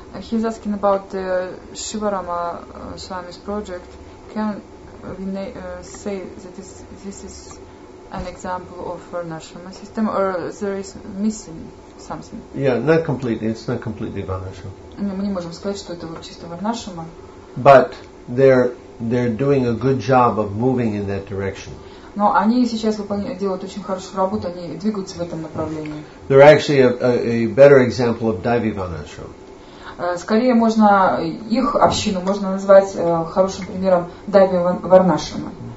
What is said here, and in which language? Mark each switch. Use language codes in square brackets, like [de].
[en] He's asking about the Shivarama Swami's project. Can we say that this is an example of Varnashrama system, or there is missing something? Yeah, not completely. It's not completely Varnashrama. [ru] No, мы не можем сказать, что это вот чисто Варнашрама. [en] But they're doing a good job of moving in that direction. [ru] Но они сейчас делают очень хорошую работу, они двигаются в этом направлении. [en] They're actually a better example of Daivi Varnashrama. [ru] Скорее можно их общину можно назвать хорошим примером Дайви Варнашрама.